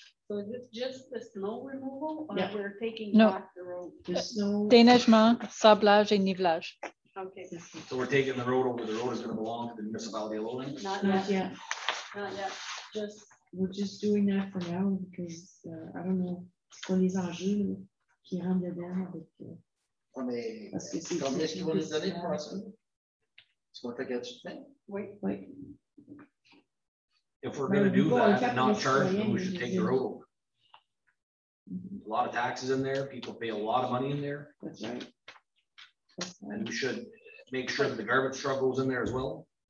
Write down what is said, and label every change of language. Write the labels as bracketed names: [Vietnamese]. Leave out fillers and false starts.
[English] So is it just the snow removal or yeah. We're taking no. Back the road? The snow. [French] Déneigement, sablage et nivelage. [English] Okay. So we're taking the road over. The road is going to belong to the municipality of Lowland? Not yet. Not yet. Just we're just doing that for now because I don't know. [French] Ce sont les enjeux qui rentrent dedans avec. On est. Parce que c'est. Combien est-ce qu'ils vont nous donner pour ça? C'est quoi ta question? Oui. [English] If we're going to do that and not charge them, we should take the road over. Mm-hmm. A lot of taxes in there. People pay a lot of money in there. That's right. And we should make sure that the garbage truck goes in there as well.